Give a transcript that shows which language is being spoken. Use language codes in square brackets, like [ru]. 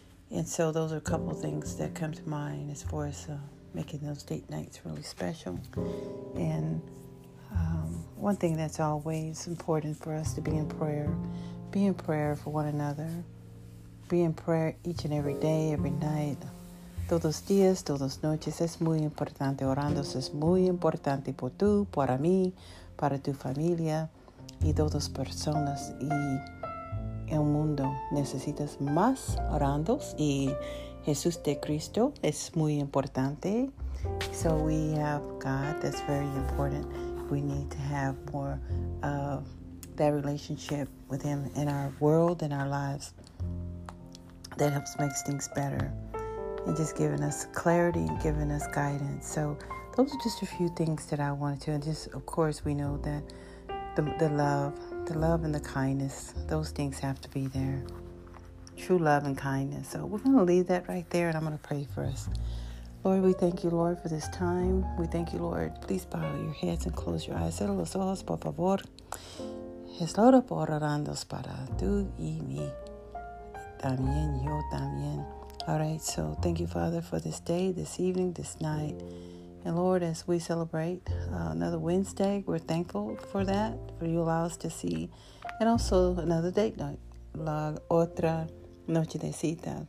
[en] And so those are a couple things that come to mind as far as making those date nights really special. And one thing that's always important for us to be in prayer. Be in prayer for one another. Be in prayer each and every day, every night. [es] Todos días, todas noches, es muy importante. Orando es muy importante por tú, para mí, para tu familia y todas personas y el mundo. Necesitas más orando y Jesús de Cristo es muy importante. [en] So we have God, that's very important. We need to have more of that relationship with Him in our world, in our lives. That helps make things better. And just giving us clarity and giving us guidance. So those are just a few things that I wanted to. And just, of course, we know that the love and the kindness, those things have to be there. True love and kindness. So we're going to leave that right there, and I'm going to pray for us. Lord, we thank you, Lord, for this time. We thank you, Lord. Please bow your heads and close your eyes. [es] Cierra los ojos, por favor. Es la hora por orarnos para tú y mí. También yo también. [en] All right, so thank you, Father, for this day, this evening, this night. And Lord, as we celebrate another Wednesday, we're thankful for that, for you allow us to see. And also another date night, [es] la otra noche de cita.